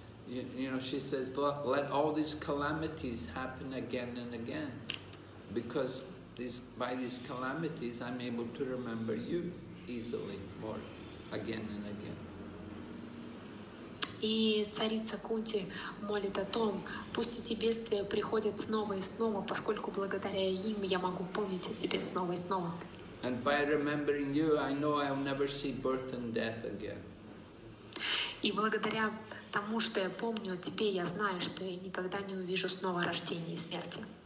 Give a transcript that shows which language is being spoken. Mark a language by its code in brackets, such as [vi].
[en] You know, she says, let all these calamities happen again and again, because by these calamities I'm able to remember you easily more again and again. [ru] И царица Кунти молит о том, пусть эти бедствия приходят снова и снова, поскольку благодаря им я могу помнить о тебе снова и снова. [en] And by remembering you, I know I'll never see birth and death again. [ru] И благодаря тому, что я помню о тебе, я знаю, что я никогда не увижу снова рождения и смерти.